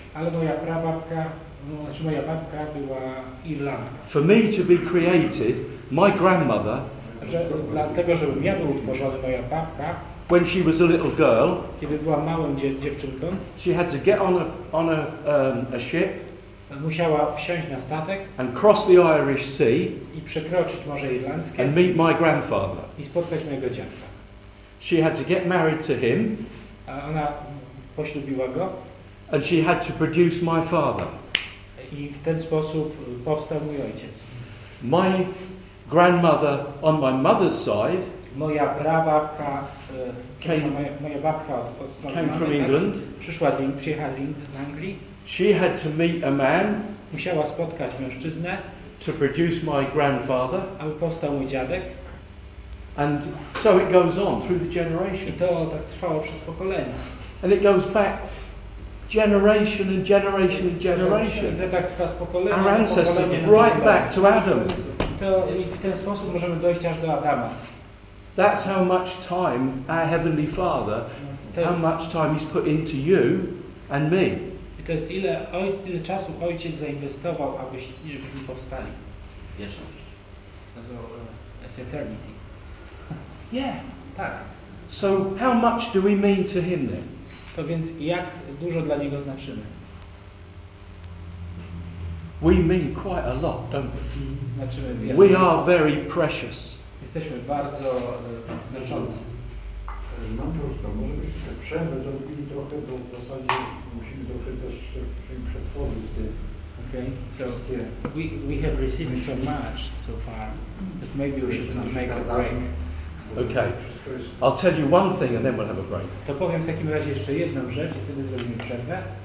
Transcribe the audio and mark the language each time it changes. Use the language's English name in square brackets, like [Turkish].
[Polish] Ale moja prababka, no, znaczy moja babka była Irlandka. [English] For me to be created, my grandmother. [Polish] Dlatego, żebym ja był utworzony, moja babka. [English] When she was a little girl, [Polish] kiedy była małą dziewczynką, [English] she had to get on a ship, [Polish] musiała wsiąść na statek, [English] and cross the Irish Sea, [Polish] i przekroczyć Morze Irlandzkie, [English] and meet my grandfather, [Polish] i spotkać mojego dziadka. [English] She had to get married to him, [Polish] a ona poślubiła go, [English] and she had to produce my father, [Polish] i w ten sposób powstał mój ojciec. [English] My grandmother on my mother's side. [Polish] Moja prababka, moja babka od strony [English] came from England. [Polish] Przyjechała z Anglii. [English] She had to meet a man. [Polish] Musiała spotkać mężczyznę. [English] To produce my grandfather. [Polish] Aby powstał mój dziadek. [English] And so it goes on through the generations. [Polish] I to tak trwało przez pokolenia. [English] And it goes back generation and generation and generation. [Polish] I to tak trwa z pokolenia. [English] Our ancestors right back to Adam. [Polish] I w ten sposób możemy dojść aż do Adama. [English] That's how much time our Heavenly Father, how much time He's put into you and me. [Polish] I to jest ile czasu Ojciec zainwestował, abyśmy powstali. Wieczność. [English] Eternity. Yeah. [Polish] Tak. [English] So how much do we mean to Him then? [Polish] To więc jak dużo dla Niego znaczymy? [English] We mean quite a lot, don't we? [Polish] Znaczymy wiele. [English] We are very precious. [Polish] Jesteśmy bardzo znaczący. Mam prośbę, może byśmy przerwę zrobili trochę, bo w zasadzie musimy trochę też przetworzyć te. [English] Okay, so we have received so much so far that maybe we should not make a break. Okay, I'll tell you one thing and then we'll have a break. [Polish] To powiem w takim razie jeszcze jedną rzecz i wtedy zrobimy przerwę.